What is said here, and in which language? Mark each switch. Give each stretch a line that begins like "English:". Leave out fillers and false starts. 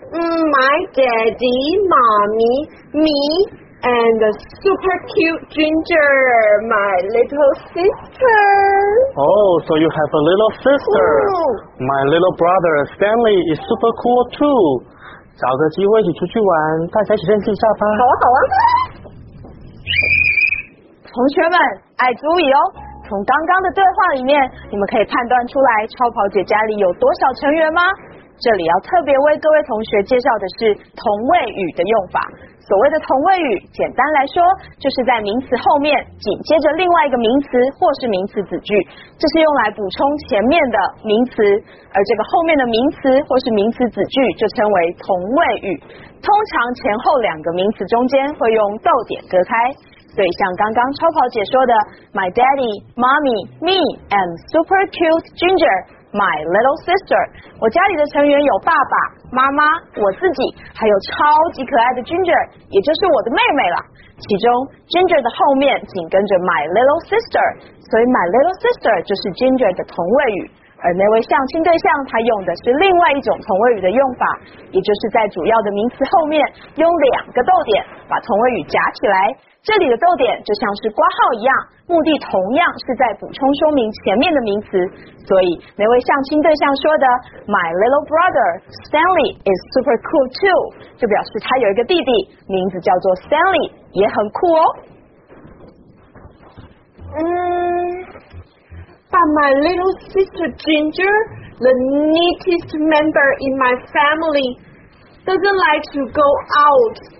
English: My daddy, mommy, me, and a super cute ginger, my little sister. Oh, so you have a little sister. My little brother Stanley is super cool too.
Chinese: 找个机会一起出去玩，大家一起认识一下吧。好啊，好啊。同学们，爱注意哦。从刚刚的对话里面，你们可以判断出来超跑姐家里有多少成员吗？这里要特别为各位同学介绍的是同位语的用法。所谓的同位语，简单来说，就是在名词后面紧接着另外一个名词或是名词子句，这是用来补充前面的名词，而这个后面的名词或是名词子句就称为同位语。通常前后两个名词中间会用逗点隔开，所以像刚刚超跑姐说的
English: My daddy, mommy, me and super cute ginger, my little sister,
Chinese: 我家里的成员有爸爸妈妈、我自己，还有超级可爱的 Ginger， 也就是我的妹妹了。其中 Ginger 的后面紧跟着
English: My little sister，
Chinese: 所以 My little sister 就是 Ginger 的同位语。而那位相亲对象他用的是另外一种同位语的用法，也就是在主要的名词后面用两个逗点把同位语夹起来。这里的逗点就像是括号一样，目的同样是在补充说明前面的名词。所以那位相亲对象说的
English: My little brother Stanley is super cool too，
Chinese: 就表示他有一个弟弟名字叫做 Stanley， 也很酷哦。
English: But my little sister Ginger, the neatest member in my family, doesn't like to go out.